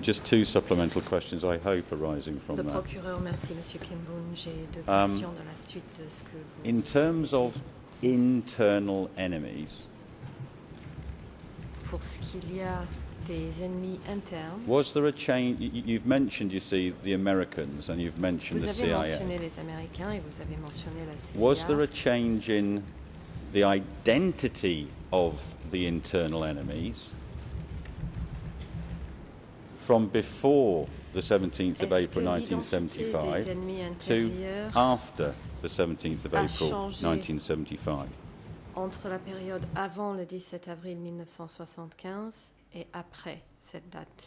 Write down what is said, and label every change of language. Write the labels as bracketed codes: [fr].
[en] Just two supplemental questions, I hope, arising from that. [fr] The procureur, merci, Monsieur Kim Boon. J'ai deux questions dans la suite de ce que vous. [en] In terms of internal enemies. [fr] Pour ce qu'il y a des ennemis internes. [en] Was there a change? You've mentioned, you see, the Americans, and you've mentioned [fr] vous [en] the CIA. [fr] Vous avez mentionné les Américains et vous avez mentionné la CIA. [en] Was there a change in the identity of the internal enemies from before the 17th of April 1975 to after the 17th of April 1975? [fr] Entre la période avant le 17 avril 1975 et après cette date.